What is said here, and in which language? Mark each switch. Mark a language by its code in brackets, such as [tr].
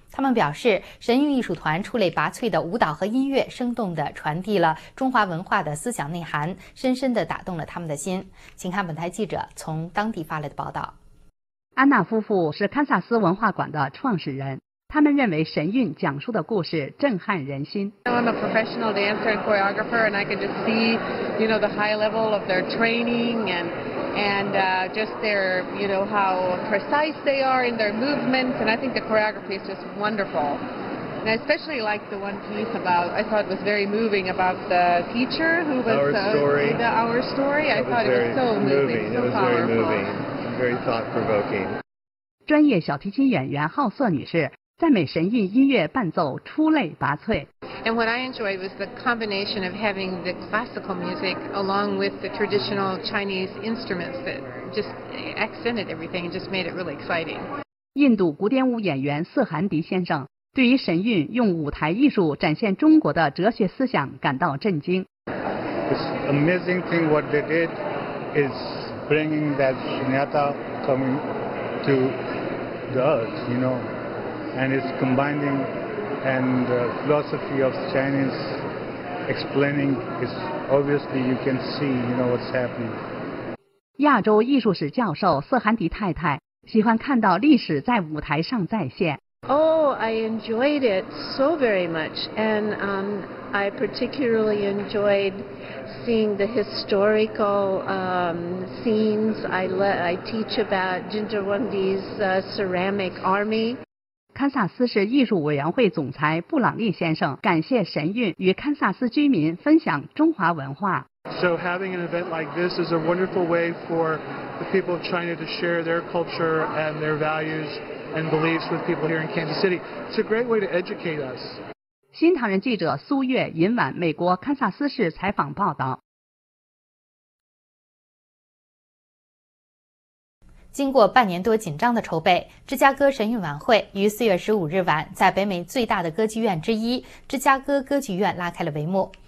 [zh] 他们表示，神韵艺术团出类拔萃的舞蹈和音乐，生动地传递了中华文化的思想内涵，深深地打动了他们的心。请看本台记者从当地发来的报道。安娜夫妇是堪萨斯文化馆的创始人，他们认为神韵讲述的故事震撼人心。 [en] I'm a professional dancer and choreographer, and I can just see, you know, the high level of their training and just their, you know, how precise they are in their movements, and I think the choreography is just wonderful. And I especially like the one piece about, I thought it was very moving about the teacher who was our story. I thought it was so moving, so powerful. It was very moving, very thought provoking. [zh] 专业小提琴演员浩瑟女士。赞美神韵音乐伴奏出类拔萃。 [en] And what I enjoyed was the combination of having the classical music along with the traditional Chinese instruments that just accented everything and just made it really exciting. [zh] 印度古典舞演员瑟韩迪先生对于神韵用舞台艺术展现中国的哲学思想感到震惊。 [en] It's amazing thing what they did is bringing that shunyata coming to the earth, you know. And it's combining and philosophy of Chinese explaining is obviously you can see, you know, what's happening. [zh] 亚洲艺术史教授瑟韩迪太太喜欢看到历史在舞台上再现。 [en] Oh, I enjoyed it so very much. And, I particularly enjoyed seeing the historical, scenes. I teach about Jinder Wangdi's, ceramic army. [zh] 堪萨斯市艺术委员会总裁布朗利先生感谢神韵与堪萨斯居民分享中华文化。 [en] So having an event like this is a wonderful way for the people of China to share their culture and their values and beliefs with people here in Kansas City. It's a great way to educate us. [zh] 新唐人记者苏月引晚美国堪萨斯市采访报道。经过半年多紧张的筹备，芝加哥神韵晚会于4月15日晚在北美最大的歌剧院之一芝加哥歌剧院拉开了帷幕。